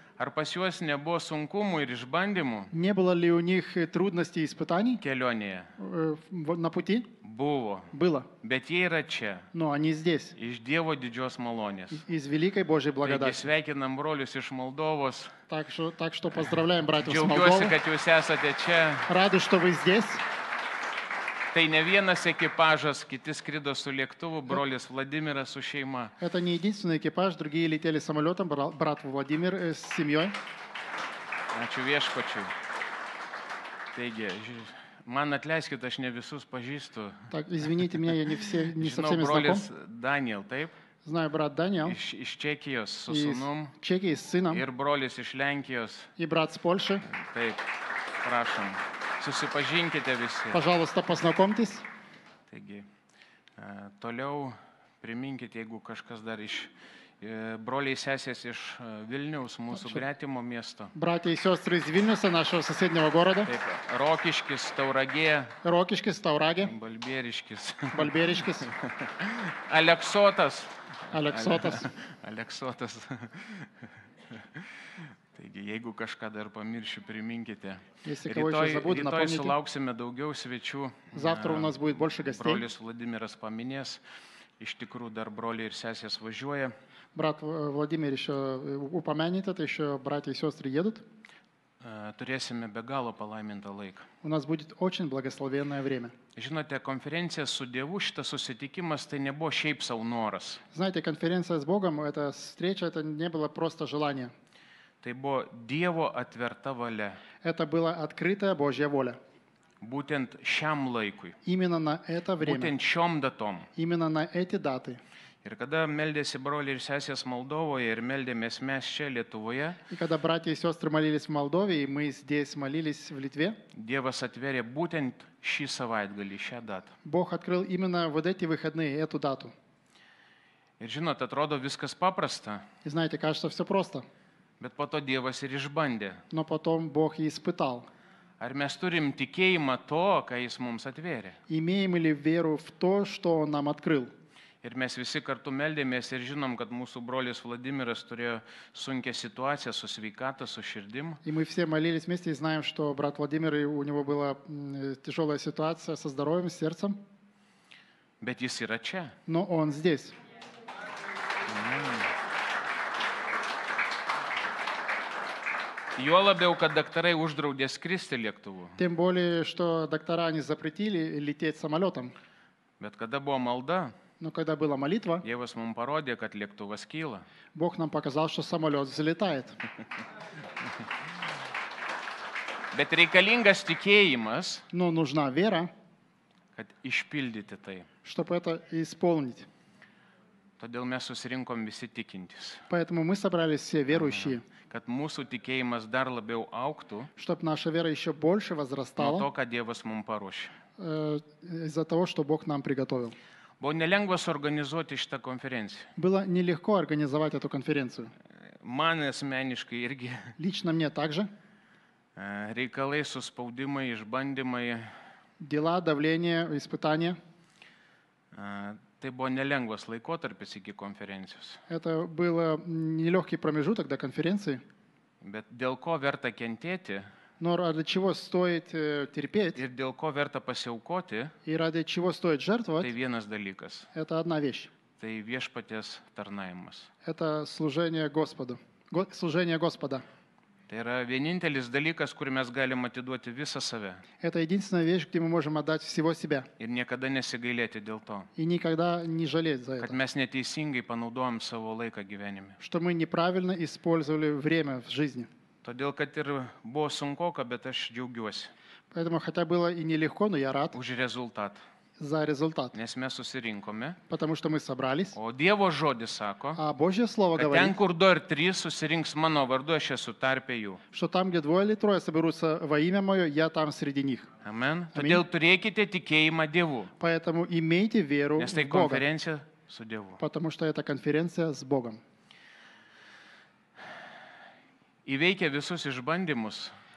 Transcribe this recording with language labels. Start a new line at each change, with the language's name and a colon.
Lithuanian: Ar pas juos nebuvo sunkumų ir išbandymų?
Russian: Не было ли у них трудностей и испытаний?
Lithuanian: Kelionėje.
Russian: На пути?
Lithuanian: Buvo.
Russian: Было.
Lithuanian: Bet jie yra čia.
Russian: Но они здесь.
Lithuanian: Iš Dievo didžios malonės.
Russian: Из великой Божьей благодати.
Lithuanian: Taigi sveikinam brolius iš Moldovos.
Russian: Так что поздравляем братьев с Молдовы.
Lithuanian: Džiaugiuosi, kad jūs esate čia.
Russian: Рады, что вы здесь.
Lithuanian: Tai ne vienas ekipažas, kiti skrido su lėktuvu, brolis Vladimiras su šeima.
Russian: Это не единственный экипаж, другие летели самолетом, брат Владимир с семьей.
Lithuanian: Ačiū Viešpačiui. Taigi, man atleiskit, aš ne visus pažįstu.
Russian: Так, извините меня, я не все, не со всеми знаком.
Lithuanian: Brolis Daniel, taip?
Russian: Знаю, брат Даниил. Из Чехии, со сыном. Чехии, с сыном.
Lithuanian: Ir brolis iš Lenkijos.
Russian: И брат с Польши.
Lithuanian: Taip,
Russian: прошу.
Lithuanian: Susipažinkite visi.
Russian: Пожалуйста, познакомьтесь.
Lithuanian: Taigi, toliau priminkite, jeigu kažkas dar iš broliai sesės iš Vilniaus, mūsų gretimo miesto.
Russian: Братья и сестры из Вильнюса, нашего соседнего города.
Lithuanian: Taip, Rokiškis, Tauragė. Rokiškis, Tauragė. Balbieriškis. Balbieriškis. Aleksotas. Aleksotas. Aleksotas. Taigi, jeigu kažką dar pamiršiu, priminkite. Rytoj sulauksime daugiau svečių.
Russian: Завтра у нас будет больше гостей.
Lithuanian: Brolis Vladimiras paminės. Iš tikrųjų, dar broliai ir sesės važiuoja.
Russian: Брат Владимир еще упомянет, это еще братья и сестры едут.
Lithuanian: Turėsime be galo palaimintą laiką.
Russian: У нас будет очень благословенное время.
Lithuanian: Žinote, konferencija su Dievu, šitas susitikimas, тай nebuvo šiaip sau noras.
Russian: Знаете, конференция с Богом, эта встреча, это не было просто желание.
Lithuanian: Tai buvo Dievo atverta valia.
Russian: Это была открытая Божья воля.
Lithuanian: Būtent šiam laikui.
Russian: Именно на это время.
Lithuanian: Būtent šiom datom.
Russian: Именно на эти даты.
Lithuanian: Ir kada meldėsi broliai ir sesės Moldovoje ir meldėmės mes čia Lietuvoje.
Russian: И когда братья и сестры молились в Молдове, и мы здесь молились в Литве.
Lithuanian: Dievas atvėrė būtent šį savaitgalį, šią datą.
Russian: Бог открыл именно вот эти выходные, эту дату.
Lithuanian: Ir žinot, atrodo viskas paprasta.
Russian: И знаете, кажется все просто.
Lithuanian: Bet po to Dievas ir išbandė.
Russian: Но потом Бог и испытал.
Lithuanian: Ar mes turim tikėjimą to, ką jis mums atvėrė?
Russian: Имеем ли веру в то, что он нам открыл?
Lithuanian: Ir mes visi kartu meldėmės ir žinom, kad mūsų brolis Vladimiras turėjo sunkią situaciją su sveikata, su širdim.
Russian: И мы все молились вместе и знаем, что брат Владимир, у него была тяжелая ситуация со здоровьем, с сердцем.
Lithuanian: Bet jis yra čia.
Russian: Но он здесь.
Lithuanian: Jo labiau, kad daktarai uždraudė skristi lėktuvu.
Russian: Тем более, что доктора не запретили лететь самолетом.
Lithuanian: Bet kada buvo malda,
Russian: но когда была молитва,
Lithuanian: Dievas mums parodė, kad lėktuvas kyla.
Russian: Бог нам показал, что самолет взлетает.
Lithuanian: Bet reikalingas tikėjimas,
Russian: но нужна вера,
Lithuanian: kad išpildyti tai.
Russian: Чтобы это исполнить.
Lithuanian: Todėl mes susirinkom visi tikintys.
Russian: Поэтому мы собрались все верующие.
Lithuanian: Kad mūsų tikėjimas dar labiau auktų.
Russian: Чтоб наша вера еще больше возрастала.
Lithuanian: Nuo to, ką Dievas mums paruošė.
Russian: Из-за того, что Бог нам приготовил.
Lithuanian: Buvo nelengva suorganizuoti šitą konferenciją.
Russian: Было нелегко организовать эту конференцию.
Lithuanian: Man asmeniškai irgi.
Russian: Лично мне также.
Lithuanian: Reikalai, suspaudimai, išbandymai.
Russian: Дела, давление, испытания.
Lithuanian: Tai buvo nelengvas laikotarpis iki konferencijos.
Russian: Это был нелегкий промежуток до конференции.
Lithuanian: Bet dėl ko verta kentėti?
Russian: Но ради чего стоит терпеть?
Lithuanian: Ir dėl ko verta pasiaukoti?
Russian: И ради чего стоит жертвовать?
Lithuanian: Tai vienas dalykas.
Russian: Это одна вещь.
Lithuanian: Tai viešpaties tarnavimas.
Russian: Это служение Господу. Служение Господа.
Lithuanian: Tai yra vienintelis dalykas, kur mes galim atiduoti visą save.
Russian: Это единственная вещь, где мы можем отдать всего себя.
Lithuanian: Ir niekada nesigailėti dėl to.
Russian: И никогда не жалеть за это.
Lithuanian: Kad mes neteisingai panaudojam savo laiką gyvenime.
Russian: Что мы неправильно использовали время в жизни.
Lithuanian: Todėl, kad ir buvo sunkoka, bet aš džiaugiuosi.
Russian: Поэтому хотя было и нелегко, но я рад.
Lithuanian: Už rezultat.
Russian: За результат.
Lithuanian: Nes mes susirinkome.
Russian: Потому что мы собрались.
Lithuanian: O Dievo žodis sako.
Russian: А Божье слово
Lithuanian: kad
Russian: говорит.
Lithuanian: Ten, kur du ar trys susirinks mano vardu, aš esu tarpe jų.
Russian: Что там, где двое или трое соберутся во имя мое, я там среди них.
Lithuanian: Amen. Todėl turėkite tikėjimą Dievu.
Russian: Поэтому имейте веру в Бога.
Lithuanian: Nes tai konferencija su Dievu.
Russian: Потому что это конференция с Богом.
Lithuanian: Įveikė visus išbandymus.